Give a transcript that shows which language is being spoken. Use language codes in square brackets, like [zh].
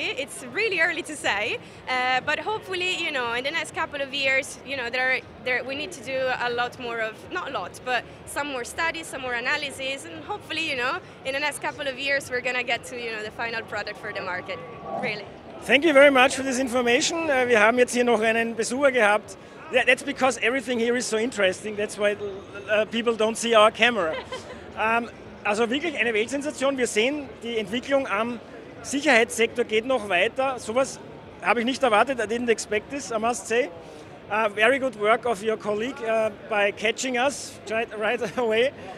[en] It's really early to say, but hopefully, you know, in the next couple of years, you know, we need to do a lot more of, not a lot, but some more studies, some more analysis, and hopefully, you know, in the next couple of years, we're gonna get to, you know, the final product for the market, really. Thank you very much for this information. [de] We haben jetzt hier noch einen Besucher gehabt. [en] Yeah, that's because everything here is so interesting. That's why people don't see our camera. [de] Also wirklich eine Weltsensation. Wir sehen, die Entwicklung am Sicherheitssektor geht noch weiter. Sowas habe ich nicht erwartet. [en] I didn't expect this, I must say. Very good work of your colleague by catching us right away.